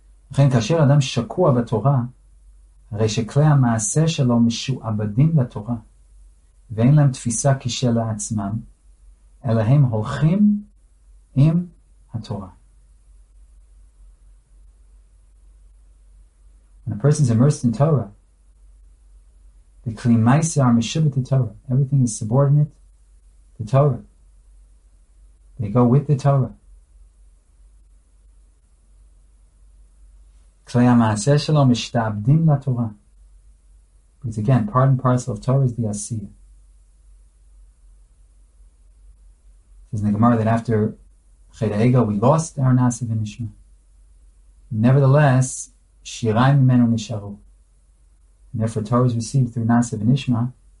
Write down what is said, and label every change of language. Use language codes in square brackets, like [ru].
[he] לכן כאשר אדם שקוע בתורה, הרי שכלי המעשה שלו משועבדים לתורה, ואין להם תפיסה כשל לעצמם, אלא הם הולכים עם התורה. [en] When a person is immersed in Torah, the כלי מעשה are משובת to Torah. Everything is subordinate to Torah. They go with the Torah. [he] כלי המעשה שלו משתעבדים לתורה. [en] Because again, part and parcel of Torah is the Asiyah. It says in the Gemara that after Chet HaEgel, we lost our Nasa v'Nishma. Nevertheless, Shirayim Menu Nisharu. And therefore, Torah is received through Nasa v'Nishma.